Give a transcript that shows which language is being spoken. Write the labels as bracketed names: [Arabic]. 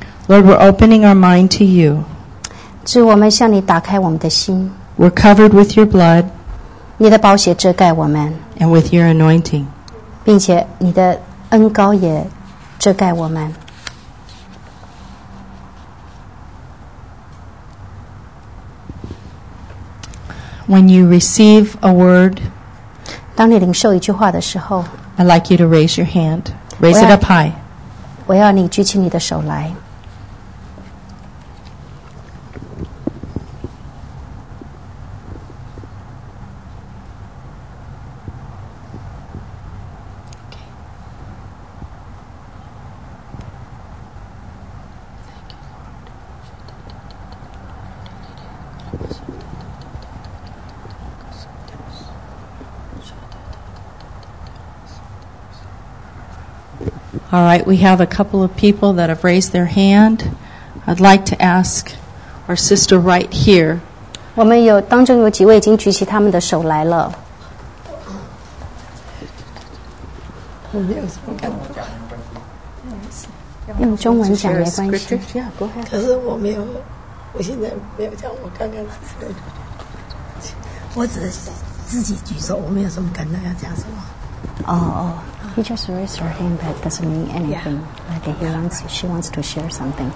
[English] Lord, we're opening our mind to you. [Chinese] 主，我们向你打开我们的心。 [English] We're covered with your blood. [Chinese] 你的宝血遮盖我们。 [English] And with your anointing. [Chinese] 并且你的恩膏也遮盖我们。 [English] When you receive a word, [Chinese] 当你领受一句话的时候， [English] I'd like you to raise your hand. Raise it up high. [Chinese] 我要你举起你的手来。 [English] All right, we have a couple of people that have raised their hand. I'd like to ask our sister right here. [Chinese] 我们有当中有几位已经举起他们的手来了。用中文讲没关系。可是我没有，我现在没有讲我刚刚是谁。我只是自己举手，我没有什么感到要讲什么。哦。 [English] He just raised her hand, but it doesn't mean anything. Yeah. Okay, she wants to share something.